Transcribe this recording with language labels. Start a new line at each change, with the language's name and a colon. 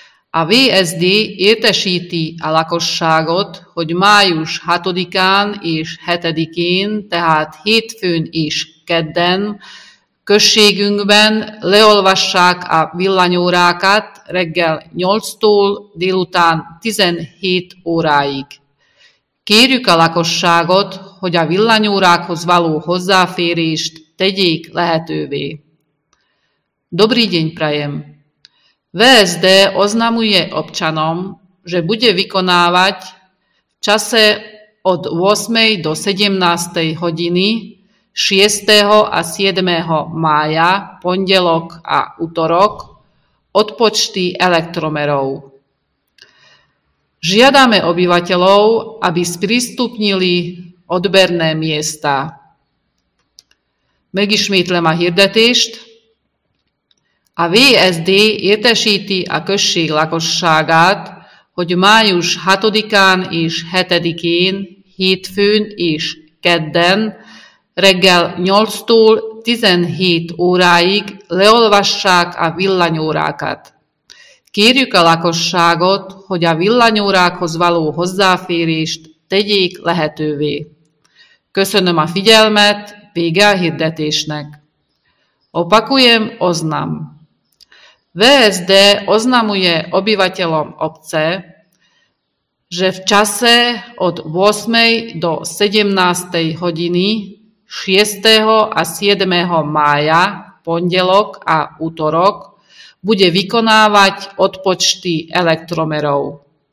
Hungarian: A VSD értesíti a lakosságot, hogy május 6-án és 7-én, tehát hétfőn és kedden községünkben leolvassák a villanyórákat reggel 8-tól délután 17 óráig. Kérjük a lakosságot, hogy a villanyórákhoz való hozzáférést tegyék lehetővé.
Slovak: Dobrý deň, prajem. VSD oznamuje občanom, že bude vykonávať v čase od 8. do 17. hodiny 6. a 7. mája, pondelok a utorok, odpočty elektromerov. Žiadame obyvateľov, aby sprístupnili odberné miesta.
Hungarian: Megismétlem a hirdetést. A VSD értesíti a község lakosságát, hogy május 6-án és 7-én, hétfőn és kedden, reggel 8-tól 17 óráig leolvassák a villanyórákat. Kérjük a lakosságot, hogy a villanyórákhoz való hozzáférést tegyék lehetővé. Köszönöm a figyelmet, vége a hirdetésnek.
Slovak: Opakujem, oznam. VSD oznamuje obyvateľom obce, že v čase od 8. do 17. hodiny 6. a 7. mája, pondelok a utorok, bude vykonávať odpočty elektromerov.